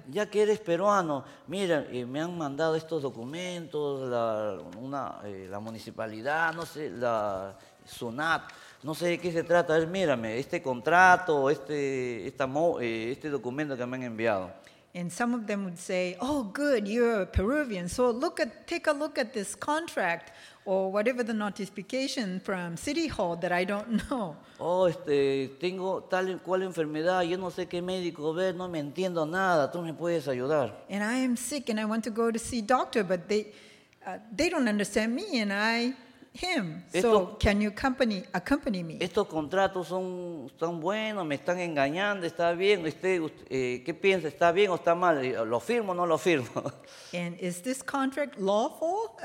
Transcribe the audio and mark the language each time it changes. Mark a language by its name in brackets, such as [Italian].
[Spanish] Ya que eres peruano, mira, me han mandado estos documentos, la municipalidad, no sé, la SUNAT, no sé de qué se trata. A ver, mírame, este contrato, este documento que me han enviado. [English] And some of them would say, oh, good, you're a Peruvian, so take a look at this contract or whatever the notification from City Hall that I don't know. [Spanish] Oh, tengo tal cual enfermedad, yo no sé qué médico ver, no me entiendo nada, tú me puedes ayudar. [English] And I am sick and I want to go to see doctor, but they don't understand me and I him. So can you accompany me? [Spanish] Estos contratos son buenos, me están engañando, está bien, ¿qué piensa? ¿Está bien o está mal? ¿Lo firmo o no lo firmo? [English] And is this contract lawful?